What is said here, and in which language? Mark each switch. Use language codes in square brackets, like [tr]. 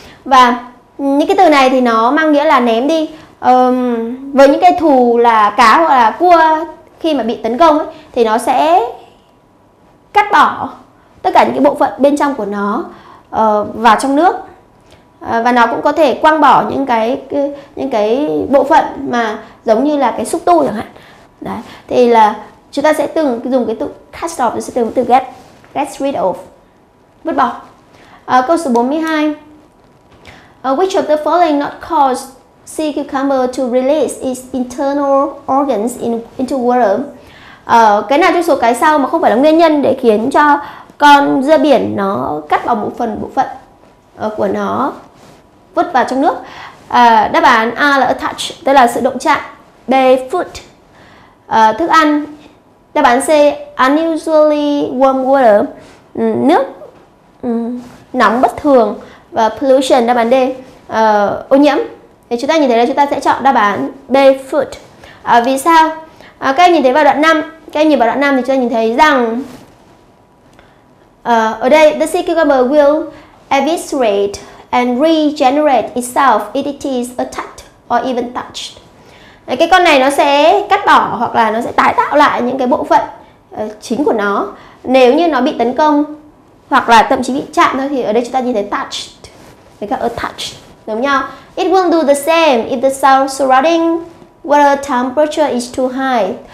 [vi] Và những cái từ này thì nó mang nghĩa là ném đi. Với những cái thù là cá hoặc là cua, khi mà bị tấn công ấy, thì nó sẽ cắt bỏ tất cả những cái bộ phận bên trong của nó vào trong nước. Và nó cũng có thể quăng bỏ những cái bộ phận mà giống như là cái xúc tu chẳng hạn. Đấy, thì là chúng ta sẽ từng dùng cái từ cast off, sẽ tương với từ get rid of, vứt bỏ. Câu số 42, [en] which of the following not cause sea cucumber to release its internal organs into water? [vi] Cái nào trong số cái sau mà không phải là nguyên nhân để khiến cho con rơi biển nó cắt bỏ một phần bộ phận của nó, vứt vào trong nước? Đáp án A là attach, tức là sự động chạm. B, food, thức ăn. Đáp án C, [en] unusually warm water, [vi] nước nóng bất thường. Và pollution, đáp án D, ô nhiễm. Thì chúng ta nhìn thấy là chúng ta sẽ chọn đáp án B, food. Vì sao? Các em nhìn thấy vào đoạn 5, các em nhìn vào đoạn 5 thì chúng ta nhìn thấy rằng ở đây, [en] the sea cucumber will eviscerate and regenerate itself if it is attacked or even touched. [vi] Cái con này nó sẽ cắt bỏ hoặc là nó sẽ tái tạo lại những cái bộ phận chính của nó nếu như nó bị tấn công, hoặc là thậm chí bị chạm thôi. Thì ở đây chúng ta nhìn thấy touched với cả attached, đúng không? [en] It won't do the same if the surrounding water temperature is too high.